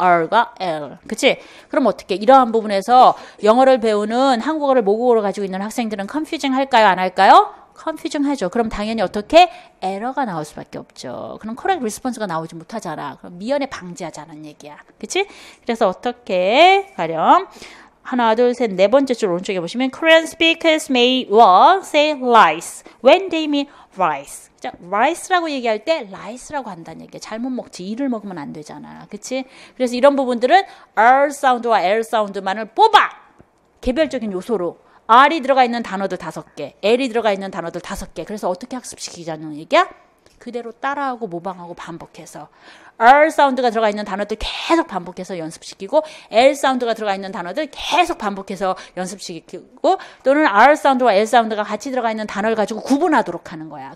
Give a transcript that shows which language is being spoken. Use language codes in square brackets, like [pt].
[ko] R과 L. 그치? 그럼 어떻게? 이러한 부분에서 영어를 배우는 한국어를 모국어로 가지고 있는 학생들은 confusing 할까요? 안 할까요? confusing 하죠. 그럼 당연히 어떻게? 에러가 나올 수밖에 없죠. 그럼 correct response가 나오지 못하잖아. 그럼 미연에 방지하자는 얘기야. 그치? 그래서 어떻게 가령? 하나, 둘, 셋, 네 번째 줄 오른쪽에 보시면 [en] Korean speakers may well say rice when they mean rice. [ko] 자, rice라고 얘기할 때 rice라고 한다는 얘기야. 잘못 먹지. 이를 먹으면 안 되잖아. 그치? 그래서 이런 부분들은 R 사운드와 L 사운드만을 뽑아! 개별적인 요소로. R이 들어가 있는 단어들 다섯 개. L이 들어가 있는 단어들 다섯 개. 그래서 어떻게 학습시키자는 얘기야? 그대로 따라하고 모방하고 반복해서 R 사운드가 들어가 있는 단어들 계속 반복해서 연습시키고 L 사운드가 들어가 있는 단어들 계속 반복해서 연습시키고 또는 R 사운드와 L 사운드가 같이 들어가 있는 단어를 가지고 구분하도록 하는 거야.